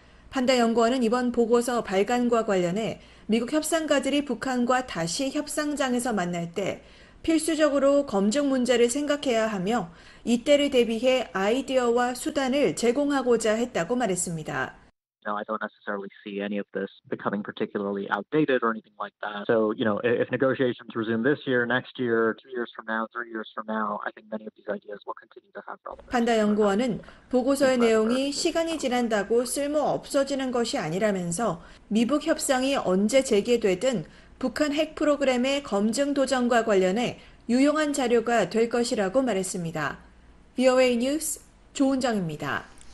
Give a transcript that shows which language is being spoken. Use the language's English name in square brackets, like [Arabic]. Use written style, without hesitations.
[Korean] 판다연구원은 이번 보고서 발간과 관련해 미국 협상가들이 북한과 다시 협상장에서 만날 때 필수적으로 검증 문제를 생각해야 하며 이때를 대비해 아이디어와 수단을 제공하고자 했다고 말했습니다. [English] No, I don't necessarily see any of this becoming particularly outdated or anything like that. So, you know, if negotiations resume this year, next year, 2 years from now, 3 years from now, I think many of these ideas will continue to have relevance. [Korean] 판다 연구원은 보고서의 내용이 시간이 지난다고 쓸모 없어지는 것이 아니라면서 미북 협상이 언제 재개되든 북한 핵 프로그램의 검증 도전과 관련해 유용한 자료가 될 것이라고 말했습니다. VOA 뉴스 조은정입니다.